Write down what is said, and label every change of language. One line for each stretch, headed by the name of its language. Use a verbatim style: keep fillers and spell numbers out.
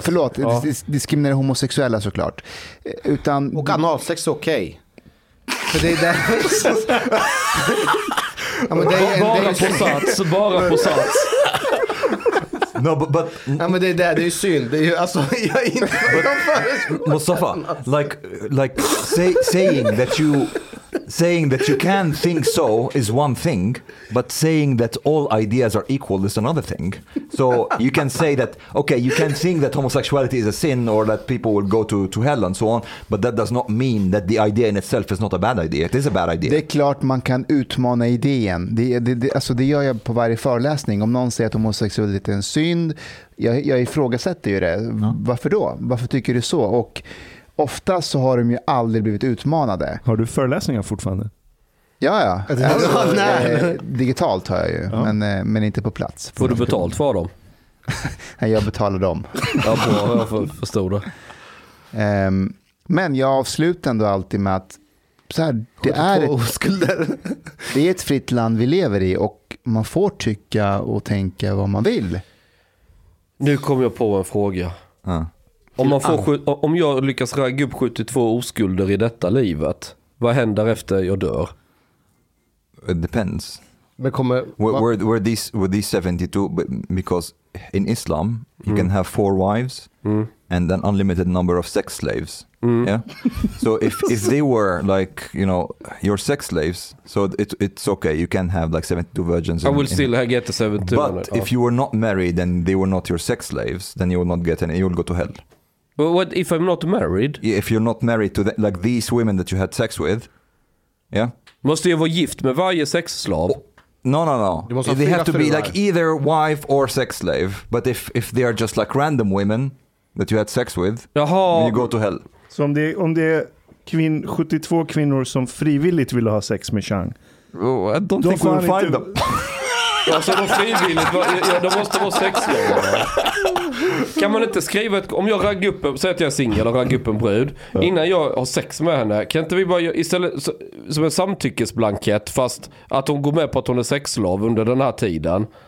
Swedish: förlåt, ja. dis- diskriminera homosexuella såklart. Utan... Och analsex är okej. För det är där... ja, men det är, bara det är... på sats, bara på sats.
English: No, but, but
Swedish: ja, men det är där, det är synd. Det är ju, alltså, jag är inte
English: but, Mustafa, like, like say, saying that you... Saying that you can think so is one thing, but saying that all ideas are equal is another thing. So you can say that, okay, you can think that homosexuality is a sin or that people will go to, to hell and so on, but that does not mean that the idea in itself is not a bad idea. It is a bad idea.
Swedish: Det är klart man kan utmana idén. Det, det, det, alltså det gör jag på varje föreläsning. Om någon säger att homosexualitet är en synd, jag, jag ifrågasätter ju det. Mm. Varför då? Varför tycker du så? Och ofta så har de ju aldrig blivit utmanade. Har du föreläsningar fortfarande? Ja, ja. Alltså, nej. Digitalt har jag ju, ja. men, men inte på plats. Får du betalt för dem? Nej, jag betalar dem. Ja, bra, jag förstår det. Um, men jag avslutar ändå alltid med att så här, det, är ett, det är ett fritt land vi lever i och man får tycka och tänka vad man vill. Nu kommer jag på en fråga. Ja. Om, man får, om jag lyckas ragga upp sjuttiotvå oskulder i detta livet, vad händer efter jag dör?
English: It depends.
Swedish: Men kommer,
English: were, were, were, these, were these seventy-two, because in Islam you mm. can have four wives mm. and an unlimited number of sex slaves. Mm. Yeah? So if, if they were like, you know, your sex slaves, so it, it's okay, you can have like seventy-two virgins. I will in, still in, get the seventy-two. But oh. if you were not married and they were not your sex slaves, then you will not get any, you will go to hell. But what if I'm not married? If you're not married to the, like these women that you had sex with, yeah?
Swedish: Måste jag vara gift med varje sexslav?
English: Oh, no, no, no. They have to be like either wife or sex slave. But if if they are just like random women that you had sex with,
Swedish: Jaha.
English: You go to hell.
Swedish: Så om det om det är kvin, sjuttiotvå kvinnor som frivilligt vill ha sex med Chang.
English: Oh, I don't think we'll find them.
Swedish: Alltså de frivilligt, de måste vara sexslavar. Kan man inte skriva ett, om jag raggar upp, säg att jag är singel och raggar upp en brud, innan jag har sex med henne, kan inte vi bara istället som en samtyckesblankett, fast att hon går med på att hon är sexslav under den här tiden?